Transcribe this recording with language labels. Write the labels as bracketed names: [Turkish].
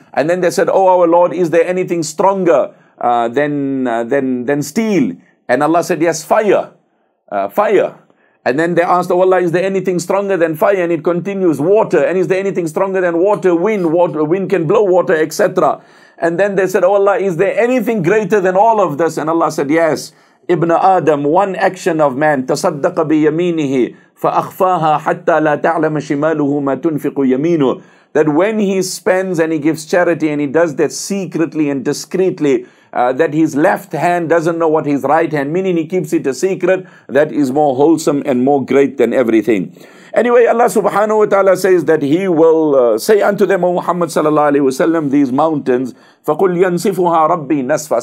[English] And then they said, O our Lord, is there anything stronger than steel? And Allah said, yes, fire. Fire. And then they asked, oh Allah, is there anything stronger than fire? And it continues, water. And is there anything stronger than water? Wind. Water. Wind can blow water, etc. And then they said, oh Allah, is there anything greater than all of this? And Allah said, yes. Ibn Adam, one action of man, [Arabic] تصدق بيمينه فأخفاها حتى لا تعلم شماله ما تنفق يمينه. [English] That when he spends and he gives charity and he does that secretly and discreetly, that his left hand doesn't know what his right hand, meaning he keeps it a secret, that is more wholesome and more great than everything. Anyway, Allah subhanahu wa ta'ala says that he will say unto them, O Muhammad sallallahu alayhi wa sallam, these mountains, [Arabic] فَقُلْ يَنْصِفُهَا رَبِّي نَصْفًا.